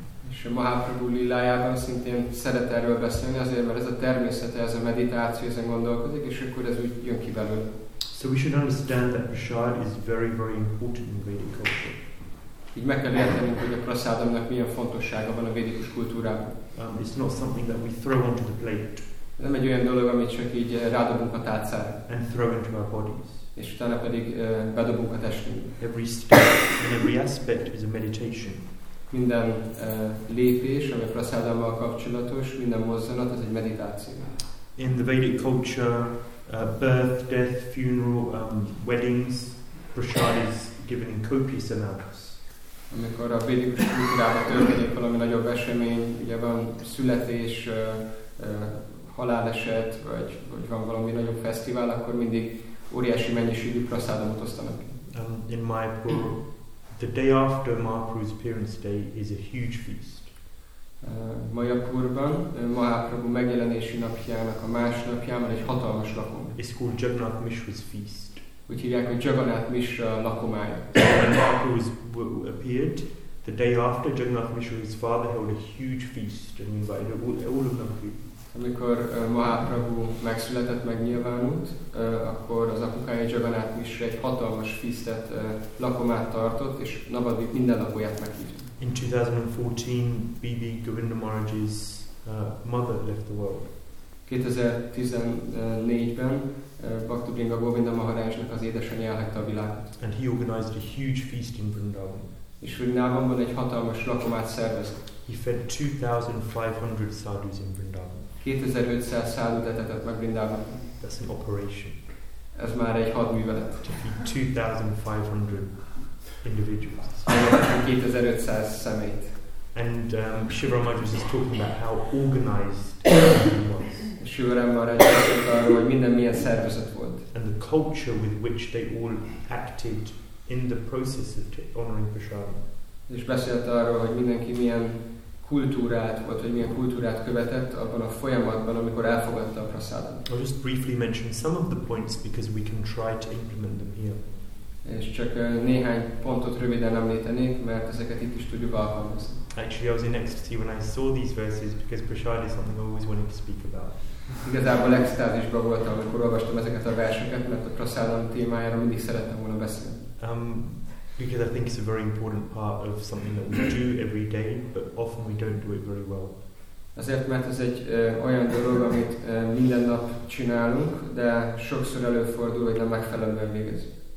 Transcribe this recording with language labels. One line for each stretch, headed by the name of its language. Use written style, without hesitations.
Hungarian: És a Mahaprabhu lilájában szintén szeret erről beszélni, azért mert ez a természete, ez a meditáció, ezen gondolkodik, és akkor ez úgy jön ki belőle.
English: So we should understand that prasad is very, very important in Vedic culture.
Hungarian: Így meg kell értenünk, hogy a prasadamnak milyen fontossága van a védikus kultúrában.
English: It's not something that we throw onto the plate.
Hungarian: Nem egy olyan dolog, amit csak így rádobunk a tálcára.
English: And throw into our bodies.
Hungarian: És utána pedig bedobunk a testünkbe.
English: Every step and every aspect is a meditation.
Hungarian: Minden lépés, ami a prasadammal kapcsolatos, minden mozzanat, ez egy meditáció.
English: In the Vedic culture, birth, death, funeral, weddings, prasad is given in copious amounts.
Hungarian: Amikor a védikus kultúrában történik valami nagyobb esemény, ugye van születés, haláleset, vagy van valami nagyobb fesztivál, akkor mindig óriási mennyiségű prasadamot osztanak.
English: In Mayapur, the day after Mahaprabhu's appearance day is a huge feast.
Hungarian: Mayapurban, Mahaprabhu megjelenési napjának a másnapján van egy hatalmas lakom.
English: It's called Jagannath Mishra's feast.
Hungarian: Úgy hívják, hogy Jagannath Mishra lakomája.
English: When Mahaprabhu appeared, the day after Jagannath Mishra, his father held a huge feast and invited all of them.
Hungarian: Amikor Mahaprabhu megszületett, megnyilvánult, akkor az apukája Jagannath Mishra egy hatalmas feastet, lakomát tartott, és Navadvip minden lakóját meghívta.
English: In 2014, B.B. Govinda Maharaj's mother left the world.
Hungarian: 2014-ben Bhakti Vrinda Govinda Maharajnak az édesanyja elhagyta a világot.
English: And he organized a huge feast in Vrindavan.
Hungarian: És Vrindavanban egy hatalmas lakomát szervezett.
English: He fed 2,500 sadhus in Vrindavan.
Hungarian: 2,500 sadhut etetett meg Vrindavan.
English: That's an operation.
Hungarian: Ez már egy hadművelet.
English: To feed 2,500 individuals.
Hungarian: 2,500 személyt.
English: And Shivaram Maharaj was just talking about how organized he was.
Hungarian: Shivaram Maharaj beszélt arról, hogy minden milyen szervezet volt.
English: And the culture with which they all acted in the process of honoring prasadam.
Hungarian: És beszélt arról, hogy mindenki milyen kultúrát volt, vagy milyen kultúrát követett abban a folyamatban, amikor elfogadta a prasadam.
English: I'll just briefly mention some of the points because we can try to implement them here.
Hungarian: És csak néhány pontot röviden említenék, mert ezeket itt is tudjuk alkalmazni.
English: Actually, I was in ecstasy when I saw these verses because prasad is something I always wanted to speak about.
Hungarian: Igazából extázisban voltam, amikor olvastam ezeket a verseket, mert a prasadam témájára mindig szerettem volna beszélni.
English: Because I think it's a very important part of something that we do every day, but often we don't do it very well.
Hungarian: Azért, mert ez egy olyan dolog, amit minden nap csinálunk, de sokszor előfordul, hogy nem megfelelően végezzük.